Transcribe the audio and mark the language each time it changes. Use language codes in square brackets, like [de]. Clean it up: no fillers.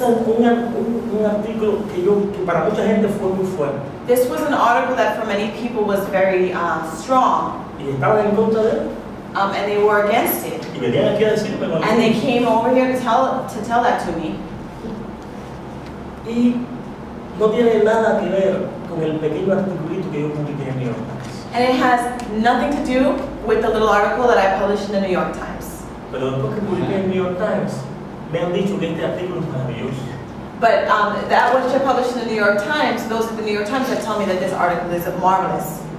[es] Un artículo que para mucha gente fue muy fuerte. [en] This was an article that for many people was very strong. [es] Y estaban en contra de él. [en] And they were against it. [es] Y venían aquí a decirme. [en] And they came over here to tell that to me. [es] Y no tiene nada que ver con el pequeño articulito que yo publiqué en New York Times. [en] And it has nothing to do with the little article that I published in the New York Times. [es] Pero después que publiqué en New York Times, me han dicho que este artículo es maravilloso. [en] But that was just published in the New York Times, those of the New York Times have told me that this article is marvelous.